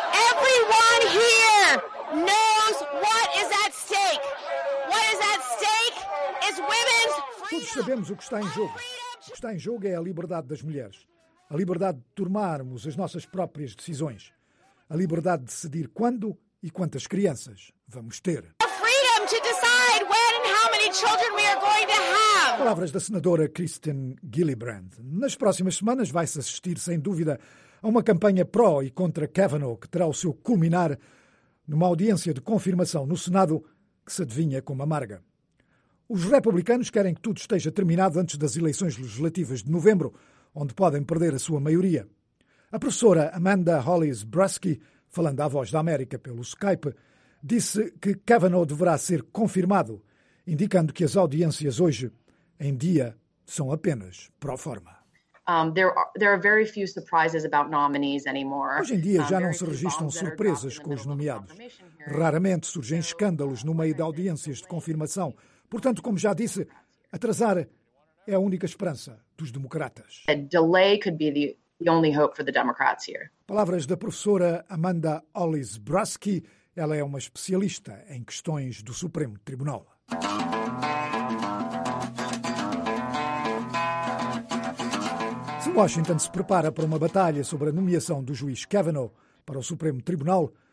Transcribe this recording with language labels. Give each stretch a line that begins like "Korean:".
English: Everyone here knows what is at stake. What is at stake is women's freedom.
Portuguese: Todos sabemos o que está em jogo. O que está em jogo é a liberdade das mulheres. A liberdade de tomarmos as nossas próprias decisões. A liberdade de decidir quando e quantas crianças vamos ter.
English: A freedom to decide when and how many children we are going to have.
Portuguese: Palavras da senadora Kristen Gillibrand. Nas próximas semanas vai-se assistir, sem dúvida, a uma campanha pró e contra Kavanaugh, que terá o seu culminar numa audiência de confirmação no Senado, que se adivinha como amarga. Os republicanos querem que tudo esteja terminado antes das eleições legislativas de novembro, onde podem perder a sua maioria. A professora Amanda Hollis Brusky, falando à Voz da América pelo Skype, disse que Kavanaugh deverá ser confirmado, indicando que as audiências hoje, em dia, são apenas pro forma.
English: There are very few surprises about nominees anymore.
Portuguese: Hoje em dia já não se registram surpresas com os nomeados. Raramente surgem escândalos no meio de audiências de confirmação. Portanto, como já disse, atrasar é a única esperança dos democratas.
English: A delay could be the only hope for the Democrats here.
Portuguese: Palavras da professora Amanda Hollis Brusky. Ela é uma especialista em questões do Supremo Tribunal. Washington se prepara para uma batalha sobre a nomeação do juiz Kavanaugh para o Supremo Tribunal.